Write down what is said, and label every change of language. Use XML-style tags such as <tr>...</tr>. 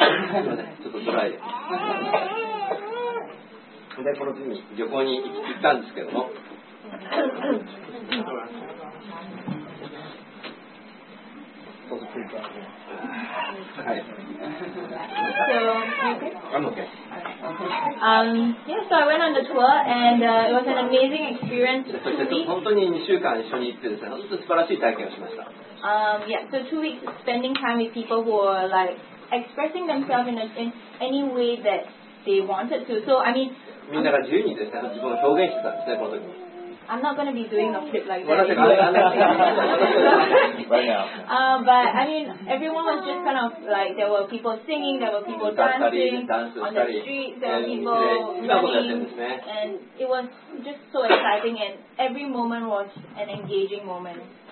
<ja>帰るのね、ちょっと辛いです。で、この次に旅行に行ったんですけども。</ja> <en>So I went on the tour and it was an amazing experience.</en> <ja>そして本当に2週間一緒に行ってですね、本当に素晴らしい体験をしました。</ja> <en>Yeah, so 2 weeks spending time with people who are like expressing themselves in any way that they wanted to. So I mean,</en> <ja>みんなが自由にですね、自分を表現してたんですね、この時に。</ja> <en>I'm not going to be doing a flip like that. but I mean, everyone was just kind of like, there were people singing, there were people dancing on the street, there were people running, and it was just so exciting, and every moment was an engaging moment.</en>